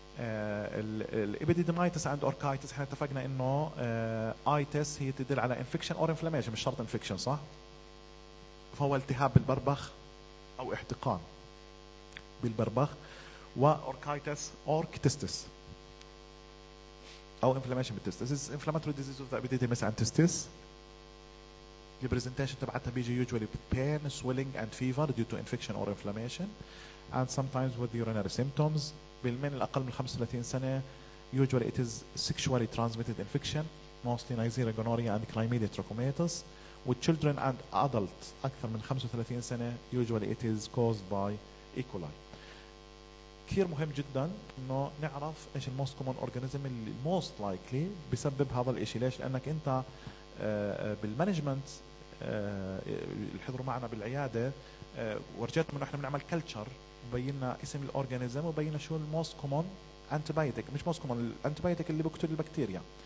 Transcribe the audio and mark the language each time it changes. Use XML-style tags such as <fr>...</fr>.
<ar>الإبيديدمايتس عند أوركايتس إحنا اتفقنا إنه آيتس هي تدل على infection أو inflammation، مش شرط infection صح؟ فهو التهاب بالبربخ أو احتقان بالبربخ، وأوركايتس أوركتستس أو inflammation بالتستس.</ar> <en>This is inflammatory disease of the epididymis and testis. The presentation</en> <ar>تبعتها بيجي</ar> <en>usually pain, swelling and fever due to infection or inflammation and sometimes with urinary symptoms.</en> <ar>بالمن الأقل من 35 سنة</ar> <en>usually it is sexually transmitted infection mostly Neisseria gonorrhea and chlamydia trachomatis. With children and adults</en> <ar>أكثر من 35 سنة</ar> <en>usually it is caused by E. coli.</en> <ar>كثير مهم جدا إنه نعرف إيش الموست كومون أورجانيزم اللي الموست لايكلي بسبب هذا الإشي. ليش؟ لأنك أنت بالمانجمنت اللي حضروا معنا بالعيادة ورجيتهم إنه إحنا بنعمل كلتشر وبينا اسم الأورجانيزم وبينا شو الموست كومون أنتيبايوتيك، مش موست كومون، الأنتيبايوتيك اللي بقتل البكتيريا.</ar>